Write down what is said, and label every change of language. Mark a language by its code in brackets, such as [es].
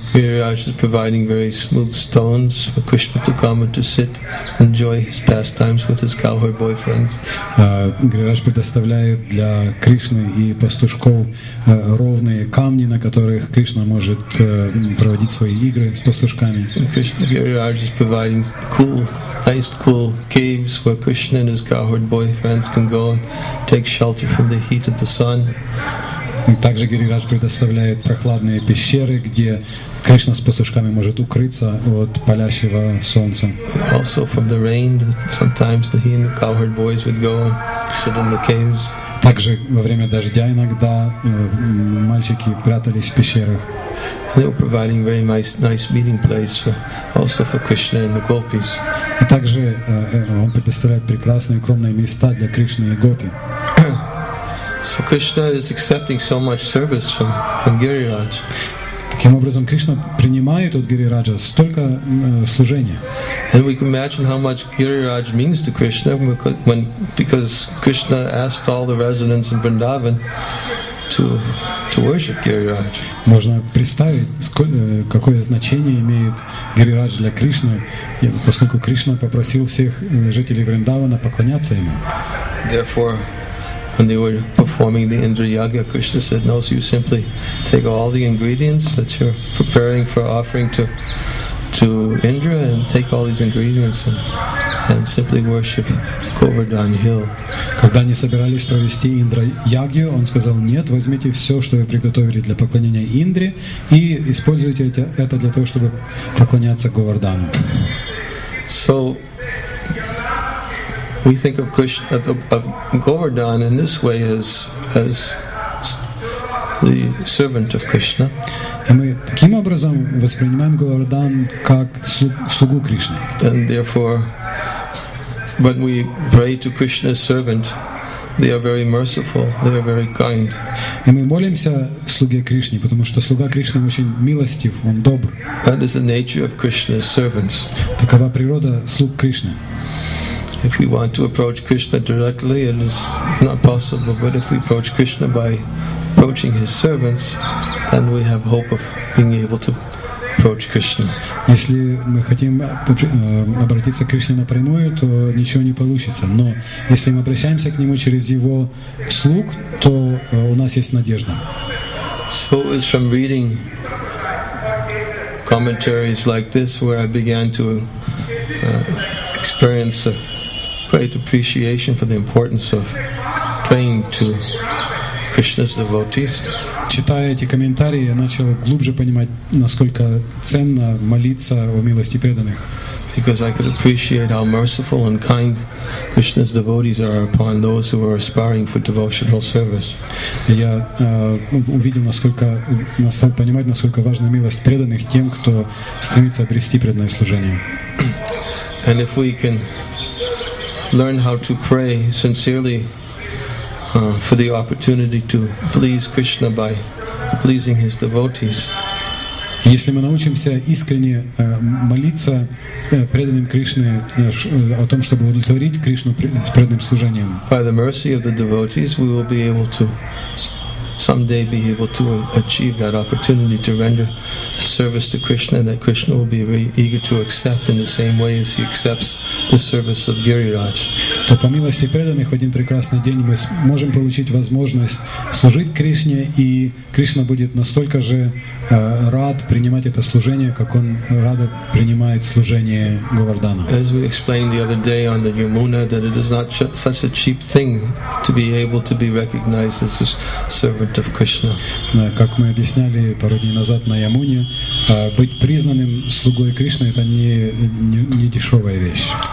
[en] Гирирадж is providing very smooth stones for Krishna to come and to sit and enjoy his pastimes with his cowherd boyfriends. [ru] Гирирадж предоставляет для Кришны и пастушков ровные камни, на которых Кришна может проводить свои игры с пастушками. [en] Гирирадж is providing cool, nice, cool caves where Krishna and his cowherd boyfriends can go and take shelter from the heat of the sun. [ru] Также Гирирадж предоставляет прохладные пещеры, где Кришна с пастушками может укрыться от палящего солнца. [en] Also from the rain, sometimes he and the cowherd boys would go and sit in the caves. [ru] Также во время дождя иногда мальчики прятались в пещерах. [en] They were providing very nice meeting place for, also for Krishna and the gopis. [ru] И также он предоставляет прекрасные укромные места для Кришны и гопи. [en] So Krishna is accepting so much service from Giriraj. [ru] Таким образом, Кришна принимает от Гирираджа столько служения. [en] And we can imagine how much Giriraj means to Krishna when because Krishna asked all the residents in Vrindavan to worship Giriraj. [ru] Можно представить, какое значение имеет Гирирадж для Кришны, поскольку Кришна попросил всех жителей Вриндавана поклоняться ему. [en] Therefore, when they were performing the Indra Yaga, Krishna said, "No, so you simply take all the ingredients that you're preparing for offering to Indra, and take all these ingredients and simply worship Govardhan Hill." [ru] Когда они собирались провести Индра Ягью, он сказал: "Нет, возьмите все, что вы приготовили для поклонения Индре, и используйте это для того, чтобы поклоняться Говардану." [en] So we think of Krishna, of Govardhan in this way as the servant of Krishna. [ru] И мы таким образом воспринимаем Говардан как слугу Кришны. [en] And therefore, when we pray to Krishna's servant, they are very merciful, they are very kind. [ru] И мы молимся слуге Кришне, потому что слуга Кришны очень милостив, он добр. [en] That is the nature of Krishna's servants. [ru] Такова природа слуг Кришны. [en] If we want to approach Krishna directly, it is not possible. But if we approach Krishna by approaching his servants, then we have hope of being able to approach Krishna. [ru] Если мы хотим обратиться к Кришне напрямую, то ничего не получится. Но если мы обращаемся к нему через его слуг, то у нас есть надежда. [en] So it's from reading commentaries like this where I began to experience great appreciation for the importance of praying to Krishna's devotees. [ru] Читая эти комментарии, я начал глубже понимать, насколько ценно молиться о милости преданных. [en] Because I could appreciate how merciful and kind Krishna's devotees are upon those who are aspiring for devotional service. [ru] Я увидел, насколько стал понимать, насколько важна милость преданных тем, кто стремится обрести преданное служение. [en] And if we can learn how to pray sincerely for the opportunity to please Krishna by pleasing his devotees. [ru] Если мы научимся искренне молиться преданным Кришне о том, чтобы удовлетворить Кришну преданным служением. [en] By the mercy of the devotees, we will be able to someday be able to achieve that opportunity to render service to Krishna, and that Krishna will be very eager to accept in the same way as he accepts the service of Giriraj. [ru] То по милости преданных один прекрасный день мы можем получить возможность служить Кришне, и Кришна будет настолько же рад принимать это служение, как он рада принимает служение Говардана. [en] As we explained the other day on the Yamuna, that it is not such a cheap thing to be able to be recognized as a servant of Krishna. [ru] Как мы объясняли пару дней назад на Ямуне, быть признанным слугой Кришны — это не дешевая вещь.